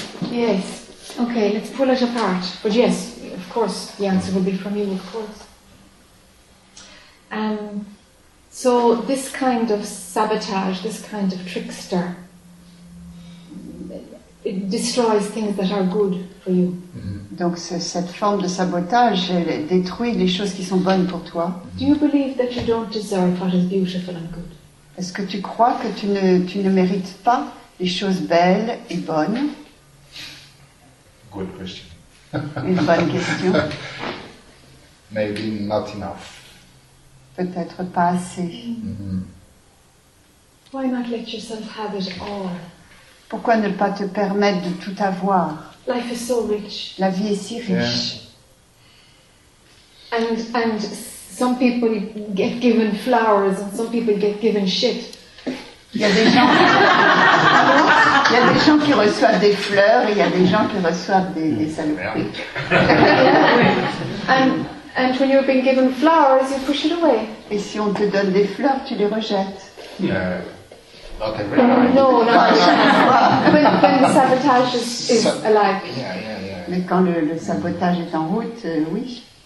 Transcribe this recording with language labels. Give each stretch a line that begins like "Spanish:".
English: Yes. Okay, let's pull it apart. But yes, of course, the answer will be from you, of course. So this kind of sabotage, this kind of trickster, it destroys things that are good for you.
French: Donc cette forme de sabotage détruit les choses qui sont bonnes pour toi.
English: Do you believe that you don't deserve what is beautiful and good?
French: Est-ce que tu crois que tu ne mérites pas les choses belles et bonnes?
English: Good question.
French: Une bonne question.
English: Maybe not enough.
French: Peut-être pas assez. Mm-hmm.
English: Why not let yourself have it all?
French: Pourquoi ne pas te permettre de tout avoir?
English: Life is so rich.
French: La vie est si riche. Yeah.
English: And some people get given flowers and some people get given shit.
French: Il y a des gens qui reçoivent des fleurs et il y a des gens qui reçoivent des saloperies.
English: And when you've been given flowers, you push it away.
French: Et si on te donne des fleurs, tu les rejettes.
English: Not every time. No, not every time. When the sabotage is alive. Yeah.
French: Mais quand le sabotage est en route, oui.